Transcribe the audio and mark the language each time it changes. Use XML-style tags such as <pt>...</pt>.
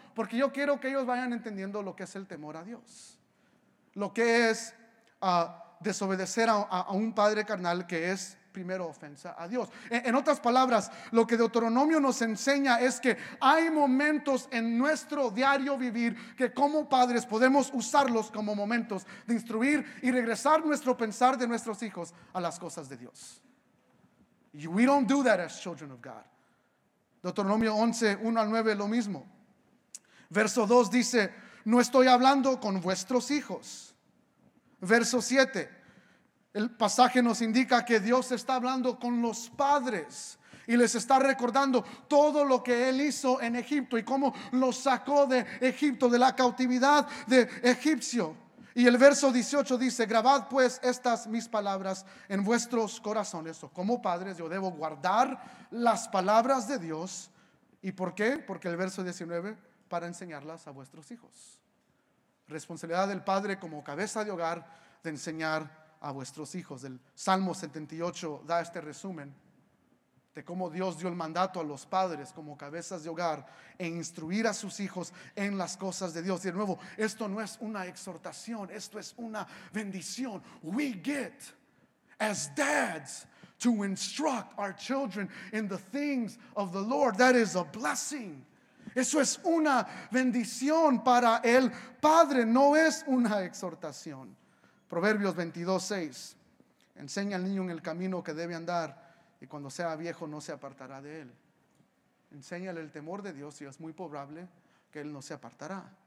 <es>Porque yo quiero que ellos vayan entendiendo lo que es el temor a Dios, lo que es desobedecer a un padre carnal, que es primero ofensa a Dios. En otras palabras, lo que Deuteronomio nos enseña es que hay momentos en nuestro diario vivir que como padres podemos usarlos como momentos de instruir y regresar nuestro pensar de nuestros hijos a las cosas de Dios.</es> <en>We don't do that as children of God.</en> <es>Deuteronomio 11, 1 al 9, lo mismo. Verso 2 dice, no estoy hablando con vuestros hijos. Verso 7, el pasaje nos indica que Dios está hablando con los padres y les está recordando todo lo que Él hizo en Egipto y cómo los sacó de Egipto, de la cautividad de Egipcio. Y el verso 18 dice, grabad pues estas mis palabras en vuestros corazones. O como padres, yo debo guardar las palabras de Dios. ¿Y por qué? Porque el verso 19, para enseñarlas a vuestros hijos. Responsabilidad del padre como cabeza de hogar de enseñar a vuestros hijos. El Salmo 78 da este resumen de cómo Dios dio el mandato a los padres como cabezas de hogar e instruir a sus hijos en las cosas de Dios. Y de nuevo, esto no es una exhortación, esto es una bendición.</es> <en>We get as dads to instruct our children in the things of the Lord. That is a blessing.</en> <es>Eso es una bendición para el padre, no es una exhortación. Proverbios 22:6. Enseña al niño en el camino que debe andar y cuando sea viejo no se apartará de él. Enséñale el temor de Dios y es muy probable que él no se apartará.</es>